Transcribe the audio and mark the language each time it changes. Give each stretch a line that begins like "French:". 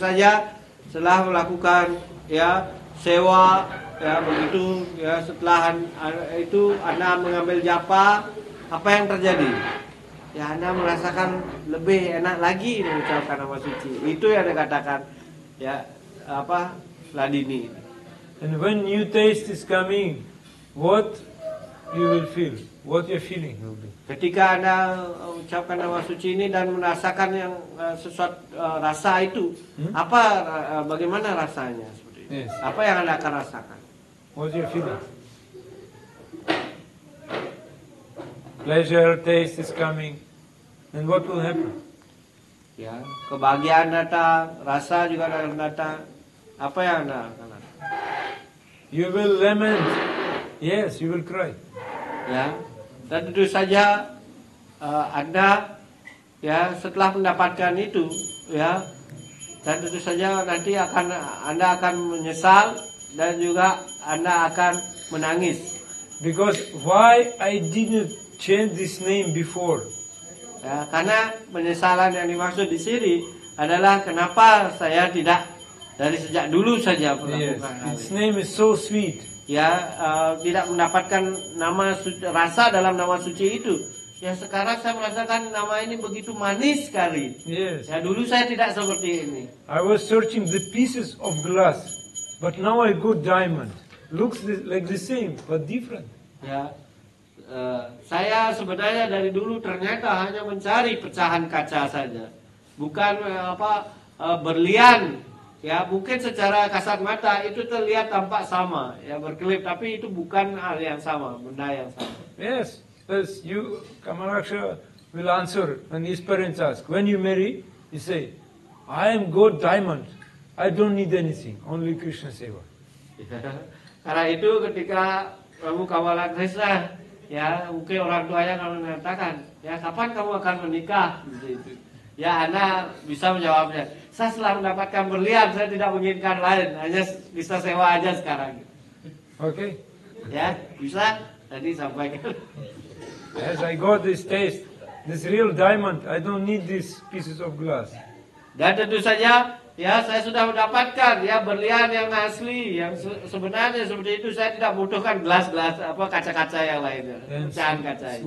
Indonesian: Saja setelah melakukan ya seva ya begitu ya setelah itu Anda mengambil japa. Apa yang terjadi? Ya Anda merasakan lebih enak lagi mengucapkan nama suci. Itu yang dikatakan ya apa? Ladini.
English: And when new taste is coming, what you will feel? What your feeling will be?
Indonesian: Ketika Anda ucapkan nama suci ini dan merasakan yang rasa itu, apa bagaimana rasanya seperti itu?
English: Yes.
Indonesian: Apa yang Anda akan rasakan?
English: What your feeling? Pleasure taste is coming, and what will happen?
Indonesian: Ya, kebahagiaan datang, rasa juga datang. Apa yang anda akan?
English: You will lament. Yes, you will cry.
Indonesian: Ya, dan tentu saja anda, ya setelah mendapatkan itu, ya, dan tentu saja nanti akan anda akan menyesal dan juga anda akan menangis.
English: Because why I didn't change this name before.
Indonesian: Ya, karena penyesalan yang dimaksud di sini adalah kenapa saya tidak dari sejak dulu saja melakukan.
English: Yes, its name is so sweet.
Indonesian: Ya, tidak mendapatkan nama suci, rasa dalam nama suci itu. Ya, sekarang saya merasakan nama ini begitu manis sekali.
English: Yes.
Indonesian: Ya, dulu saya tidak seperti ini.
English: I was searching the pieces of glass, but now I got diamond. Looks like the same, but different.
Indonesian: Ya. Saya sebenarnya dari dulu ternyata hanya mencari pecahan kaca saja, bukan berlian. Ya mungkin secara kasat mata itu terlihat tampak sama, ya berkelip, tapi itu bukan hal yang sama, benda yang sama.
English: Yes, as you Kamalaksha will answer when his parents ask, when you marry, you say, I am gold diamond, I don't need anything, only Krishna seva.
Indonesian: Karena itu ketika Prabhu Kamalaksha ya mungkin orang tuanya kalau mengatakan ya kapan kamu akan menikah gitu, ya Anda bisa menjawabnya, saya setelah mendapatkan berlian saya tidak menginginkan lain, hanya bisa sewa aja sekarang.
English: Oke. Okay.
Indonesian: Ya bisa tadi sampaikan.
English: As I got this taste, this real diamond, I don't need these pieces of glass.
Indonesian: Dan tentu saja ya saya sudah mendapatkan ya berlian yang asli, yang sebenarnya seperti itu, saya tidak butuhkan gelas-gelas apa kaca-kaca yang lainnya, pecahan kaca itu.